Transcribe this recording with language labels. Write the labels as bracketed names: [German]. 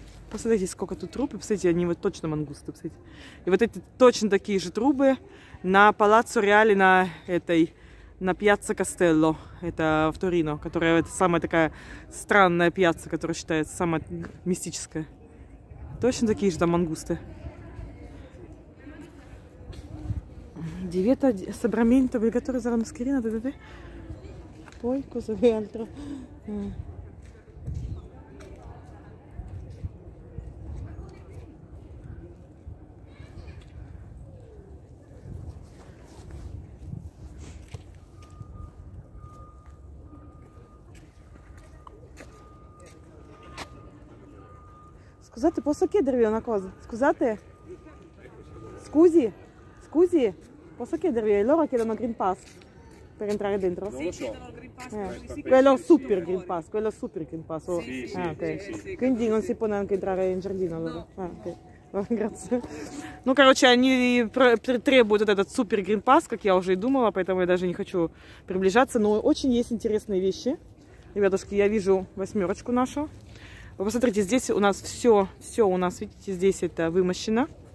[Russian] Посмотрите, сколько тут труб. Посмотрите, они вот точно мангусты. Посмотрите. И вот эти точно такие же трубы на Палаццо Реале, на этой... На пьяцца Кастелло, это в Торино, которая это самая такая странная пьяцца, которая считается самая мистическая. Точно такие же там мангусты. [Italian] divieto di assembramento obbligatorio della mascherina, dove? Poi cosa di altro? Scusate, posso chiedervi una cosa? Scusate? Scusi? Scusi? Posso chiedervi? Loro chiedono Green Pass per entrare dentro? Sì, chiedono Green Pass. Quello super Green Pass, quello super Green Pass. Sì, sì, sì, okay. Sì, sì, quindi sì, non sì. Si può neanche entrare in giardino allora? No. Ah, okay. Grazie. [Russian] Ну, короче, они требуют вот этот супер Green Pass, как я уже и думала, поэтому я даже не хочу приближаться. Но очень есть интересные вещи. Ребятушки, я вижу восьмерочку нашу. Вы посмотрите, здесь у нас все, все у нас, видите, здесь это вымощено.